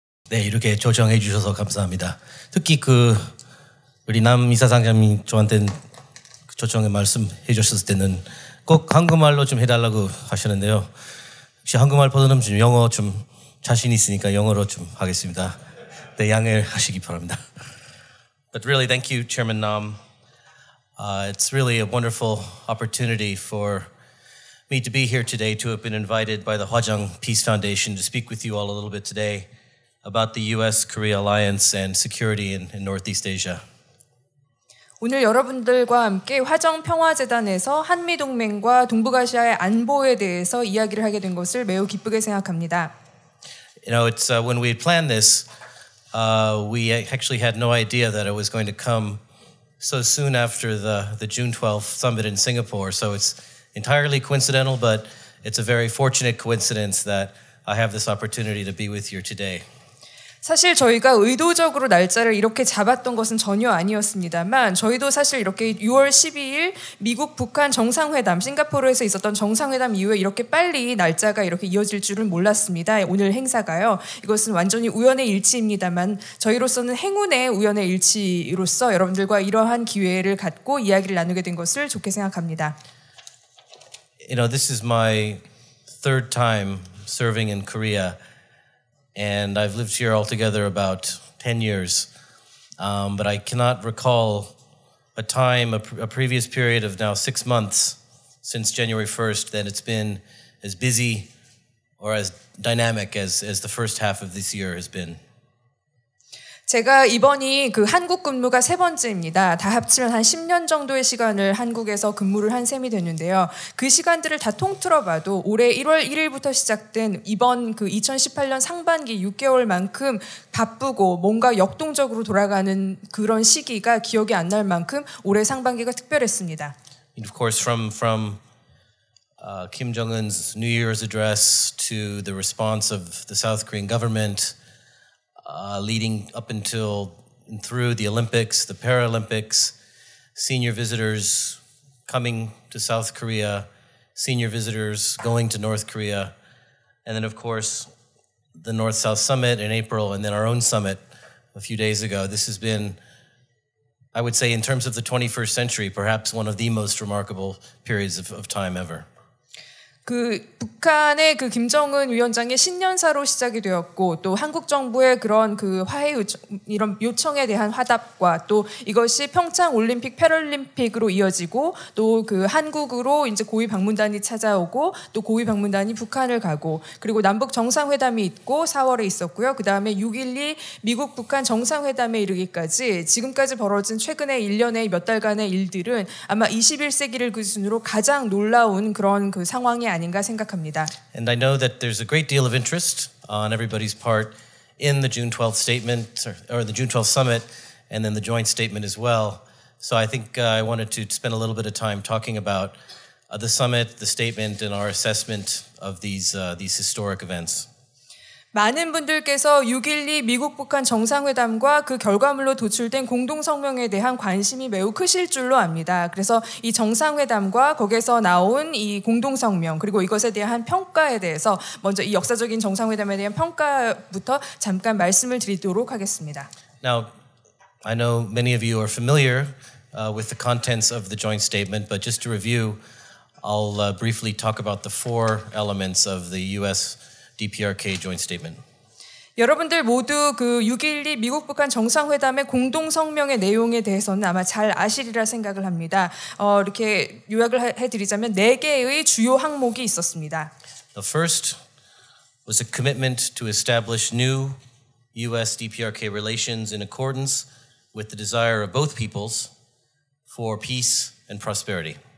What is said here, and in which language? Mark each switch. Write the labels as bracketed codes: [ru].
[ko] 네, 이렇게 조정해 주셔서 감사합니다. 특히 그 우리 남 이사장님이 저한테 그 조정의 말씀 해 주셨을 때는 꼭 한국말로 좀 해달라고 하셨는데요. 혹시 한국말 보다는 좀 영어 좀 자신 있으니까 영어로 좀 하겠습니다. 네, 양해하시기 바랍니다. [en] But really, thank you, Chairman Nam. It's really a wonderful opportunity for me to be here today, to have been invited by the Hwajang Peace Foundation to speak with you all a little bit today about the U.S.-Korea alliance and security in Northeast Asia. [ko] 오늘 여러분들과 함께 화정 평화재단에서 한미 동맹과 동북아시아의 안보에 대해서 이야기를 하게 된 것을 매우 기쁘게 생각합니다. [en] You know, it's when we planned this, we actually had no idea that it was going to come so soon after the June 12th summit in Singapore. So it's entirely coincidental, but it's a very fortunate coincidence that I have this opportunity to be with you today. [ko] 사실 저희가 의도적으로 날짜를 이렇게 잡았던 것은 전혀 아니었습니다만 저희도 사실 이렇게 6월 12일 미국 북한 정상회담 싱가포르에서 있었던 정상회담 이후에 이렇게 빨리 날짜가 이렇게 이어질 줄은 몰랐습니다. 오늘 행사가요. 이것은 완전히 우연의 일치입니다만 저희로서는 행운의 우연의 일치로서 여러분들과 이러한 기회를 갖고 이야기를 나누게 된 것을 좋게 생각합니다. [en] You know, this is my third time serving in Korea. And I've lived here altogether about 10 years. But I cannot recall a time, a previous period of now 6 months since January 1st, that it's been as busy or as dynamic as the first half of this year has been. [ko] 제가 이번이 그 한국 근무가 세 번째입니다. 다 합치면 한 10년 정도의 시간을 한국에서 근무를 한 셈이 됐는데요. 그 시간들을 다 통틀어봐도 올해 1월 1일부터 시작된 이번 그 2018년 상반기 6개월만큼 바쁘고 뭔가 역동적으로 돌아가는 그런 시기가 기억이 안 날 만큼 올해 상반기가 특별했습니다. [en] Of course, from Kim Jong-un's New Year's address to the response of the South Korean government, leading up until and through the Olympics, the Paralympics, senior visitors coming to South Korea, senior visitors going to North Korea, and then, of course, the North-South Summit in April, and then our own summit a few days ago. This has been, I would say, in terms of the 21st century, perhaps one of the most remarkable periods of time ever. [ko] 그 북한의 그 김정은 위원장의 신년사로 시작이 되었고 또 한국 정부의 그런 그 화해 요청, 이런 요청에 대한 화답과 또 이것이 평창 올림픽 패럴림픽으로 이어지고 또 그 한국으로 이제 고위 방문단이 찾아오고 또 고위 방문단이 북한을 가고 그리고 남북 정상회담이 있고 4월에 있었고요. 그다음에 6.12 미국 북한 정상회담에 이르기까지 지금까지 벌어진 최근의 1년의 몇 달간의 일들은 아마 21세기를 기준으로 가장 놀라운 그런 그 상황 [en] And I know that there's a great deal of interest on everybody's part in the June 12th statement or the June 12th summit and then the joint statement as well. So I think I wanted to spend a little bit of time talking about the summit, the statement, and our assessment of these historic events. [ko] 많은 분들께서 6.12 미국 북한 정상회담과 그 결과물로 도출된 공동성명에 대한 관심이 매우 크실 줄로 압니다. 그래서 이 정상회담과 거기에서 나온 이 공동성명 그리고 이것에 대한 평가에 대해서 먼저 이 역사적인 정상회담에 대한 평가부터 잠깐 말씀을 드리도록 하겠습니다. [en] Now, I know many of you are familiar with the contents of the joint statement, but just to review, I'll briefly talk about the four elements of the U.S. DPRK joint statement. [ko] 여러분들 모두 그 6.12 미국 북한 정상회담의 공동 성명의 내용에 대해서는 아마 잘 아시리라 생각을 합니다. 이렇게 요약을 해드리자면 네 개의 주요 항목이 있었습니다. [en] The first was a commitment to establish new U.S. DPRK relations in accordance with the desire of both peoples for peace and prosperity.